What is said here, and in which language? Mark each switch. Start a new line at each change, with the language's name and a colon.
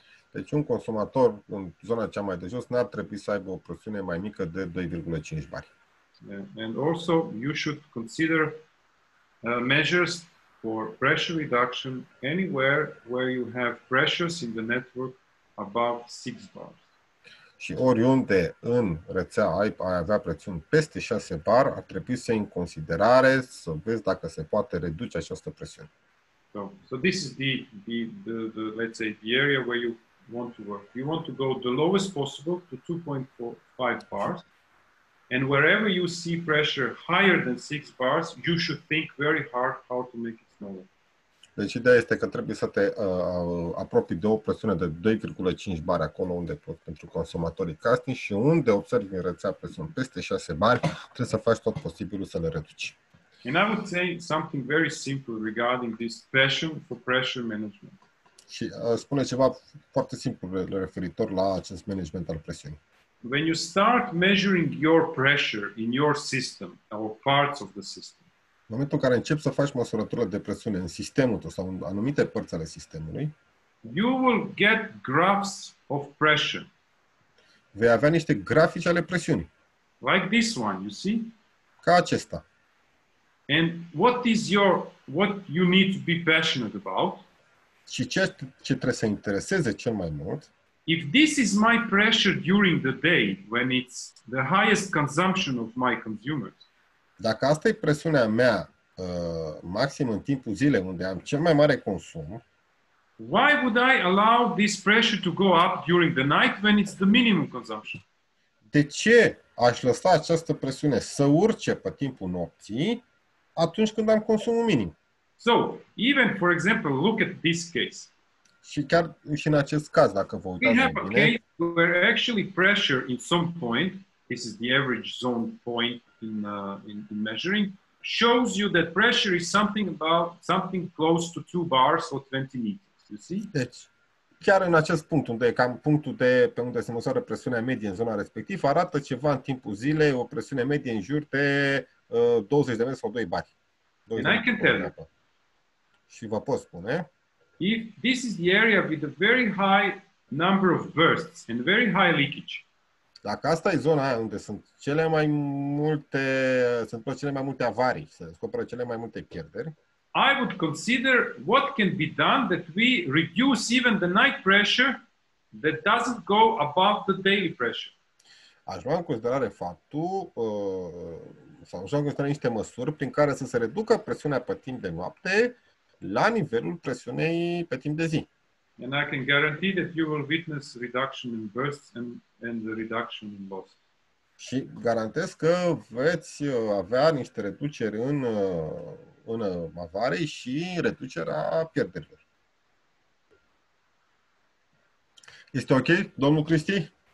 Romanian: Deci un consumator în zona cea mai de jos n-ar trebui să aibă o presiune mai mică de 2.5 bari.
English: And also you should consider measures for pressure reduction anywhere where you have pressures in the network above 6 bars.
Romanian: Și oriunde în rețea ai avea presiuni peste 6 bar, ar trebui să iei în considerare să vezi dacă se poate reduce această presiune.
English: So this is the let's say the area where you want to work. You want to go the lowest possible to 2.5 bars, and wherever you see pressure higher than 6 bars, you should think very hard how to make it smaller.
Romanian: Deci ideea este că trebuie să te apropii de o presiune de 2.5 bar acolo unde poți pentru consumatorii casnici și unde observi în rețea presiuni peste 6 bar, trebuie să faci tot posibilul să le reduci.
English: And I would say something very simple regarding this passion for pressure management.
Romanian: Și spune ceva foarte simplu referitor la acest management al presiunii.
English: When you start measuring your pressure in your system or parts of the system,
Romanian: în momentul în care începi să faci măsurătură de presiune în sistemul tău sau în anumite părți ale sistemului,
English: you will get graphs of pressure.
Romanian: Vei avea niște grafici ale presiunii.
English: Like this one, you see?
Romanian: Ca acesta.
English: And what you need to be passionate about?
Romanian: Și ce trebuie să intereseze cel mai mult?
English: If this is my pressure during the day when it's the highest consumption of my consumers.
Romanian: Dacă asta e presiunea mea maxim în timpul zilei unde am cel mai mare consum,
English: why would I allow this pressure to go up during the night when it's the minimum consumption?
Romanian: De ce aș lăsa această presiune să urce pe timpul nopții atunci când am consumul minim?
English: So, even for example, look at this case.
Romanian: Și chiar și în acest caz, dacă vă uitați bine,
English: we have a case where actually pressure in some point, this is the average zone point in measuring, shows you that pressure is something close to 2 bars or 20 meters, you see?
Romanian: Deci, chiar în acest punct, unde e cam punctul de pe unde se măsoară presiunea medie în zona respectivă, arată ceva în timpul zilei, o presiune medie în jur de 20 de metri sau 2 bari.
English: And I can tell you.
Romanian: Și vă pot spune.
English: If this is the area with a very high number of bursts and very high leakage,
Romanian: dacă asta e zona aia unde sunt cele mai multe, se întâmplă cele mai multe avarii, se descoperă cele mai multe pierderi,
English: I would consider what can be done that we reduce even the night pressure that doesn't go above the daily pressure.
Romanian: Aș lua în considerare faptul sau aș lua în considerare niște măsuri prin care să se reducă presiunea pe timp de noapte la nivelul presiunei pe timp de zi.
English: And I can guarantee that you will witness reduction in bursts and the reduction in loss.
Romanian: Și garantez că veți avea niște reduceri în avarii și reducerea pierderilor. Este ok, domnul Cristi?